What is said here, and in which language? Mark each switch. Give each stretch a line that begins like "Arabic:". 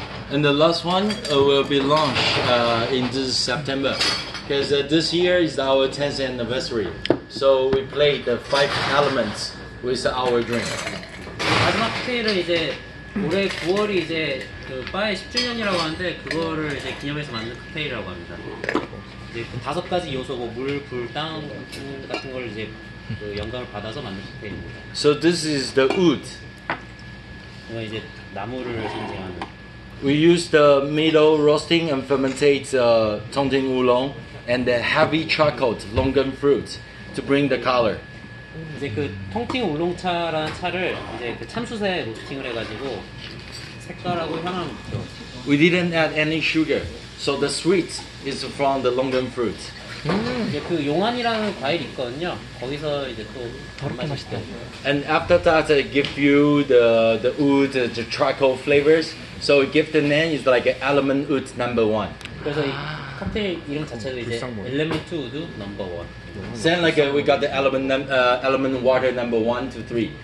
English: And the last one will be launched in this September, because this year is our 10th anniversary. So we play the five elements with our drink.
Korean: 마지막 테일은 이제 올해 9월이 이제 그 바의 10주년이라고 하는데 그거를 이제 기념해서 만든 칵테일이라고 합니다. 이제 그 다섯 가지 요소고 물, 불, 땅 같은 걸 이제 그 영감을 받아서 만든 칵테일입니다.
English: So this is the wood.
Korean: 이제 나무를 생산하는.
English: We use the middle roasting and fermentate tongting oolong and the heavy charcoal longan fruit to bring the color.
Korean: 이제 그 통팅 울롱차라는 차를 이제 그 참숯에 로스팅을 해가지고 색깔하고 향을 묻죠.
English: We didn't add any sugar, so the sweet is from the longan fruit.
Korean: 그 용안이라는 과일 있거든요. 거기서 이제 또 더럽게 맛있대.
English: And after that, it give you the wood, the charcoal flavors. So give the name is like element wood number one.
Korean: 그래서 이 칵테일 이름 자체도 이제 element wood number one.
English: Same like we got the element water number 1, 2, 3.